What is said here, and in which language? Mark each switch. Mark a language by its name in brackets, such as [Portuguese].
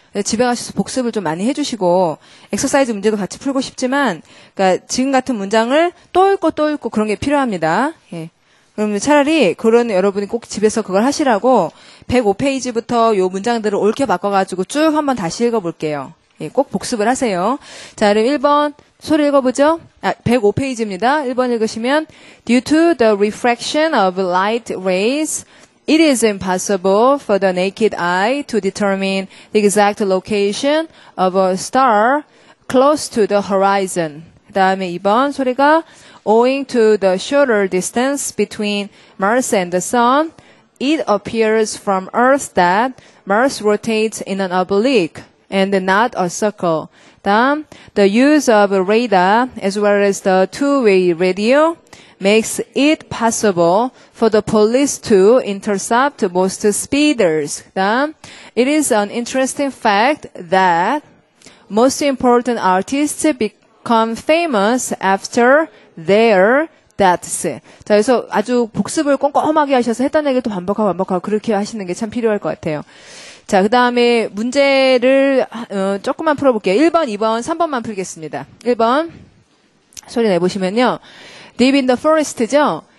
[Korean] 집에 가셔서 복습을 좀 많이 해주시고, 엑서사이즈 문제도 같이 풀고 싶지만, 그러니까 지금 같은 문장을 또 읽고 또 읽고 그런 게 필요합니다. 예. 그러면 차라리 그런 여러분이 꼭 집에서 그걸 하시라고 105페이지부터 요 문장들을 옳게 바꿔가지고 쭉 한번 다시 읽어볼게요. 예, 꼭 복습을 하세요. 자, 그럼 1번 소리 읽어보죠. 아, 105페이지입니다. 1번 읽으시면 [English] Due to the refraction of light rays, it is impossible for the naked eye to determine the exact location of a star close to the horizon. [Korean] 그 다음에 2번 소리가 [English] Owing to the shorter distance between Mars and the Sun, it appears from Earth that Mars rotates in an oblique and not a circle. 다음, the use of radar as well as the two-way radio makes it possible for the police to intercept most speeders. 다음, it is an interesting fact that most important artists become famous after their deaths. [Korean] 자, 그래서 아주 복습을 꼼꼼하게 하셔서 했던 얘기도 반복하고 반복하고 그렇게 하시는 게 참 필요할 것 같아요. 자, 그 다음에 문제를 조금만 풀어볼게요. 1번, 2번, 3번만 풀겠습니다. 1번 소리 내보시면요. [English] Deep in the forest죠?